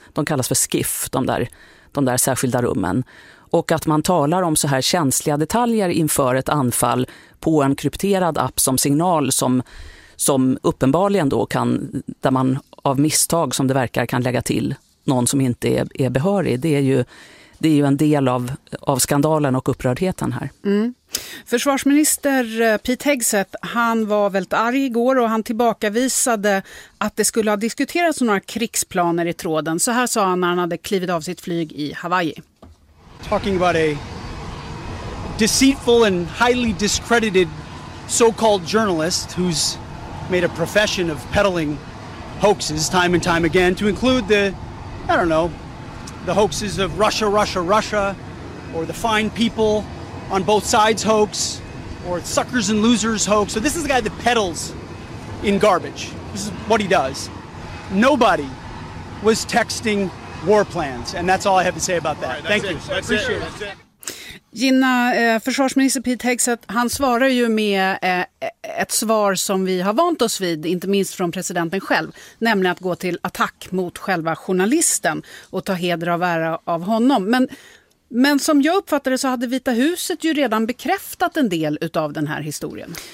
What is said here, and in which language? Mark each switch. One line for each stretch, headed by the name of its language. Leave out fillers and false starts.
Swedish: De kallas för skiff, de där särskilda rummen. Och att man talar om så här känsliga detaljer inför ett anfall på en krypterad app som Signal, som uppenbarligen då kan, där man av misstag som det verkar kan lägga till någon som inte är behörig, det är ju en del av skandalen och upprördheten här. Mm. Försvarsminister Pete Hegseth, han var väldigt arg igår och han tillbakavisade att det skulle ha diskuterats några krigsplaner i tråden. Så här sa han när han hade klivit av sitt flyg i Hawaii.
English: Talking about a deceitful and highly discredited so-called journalist who's made a profession of peddling hoaxes time and time again, to include the, I don't know, the hoaxes of Russia, Russia, Russia, or the fine people on both sides hoax, or suckers and losers hoax. So this is the guy that peddles in garbage. This is what he does. Nobody was texting war plans, and that's all I have to say about that. Right, thank you. It. That's appreciate it.
Swedish: Gina, försvarsminister Pete Hegseth, han svarar ju med ett svar som vi har vant oss vid, inte minst från presidenten själv, nämligen att gå till attack mot själva journalisten och ta heder av ära av honom. Men Men som jag uppfattade så hade Vita huset ju redan bekräftat en del av den här historien.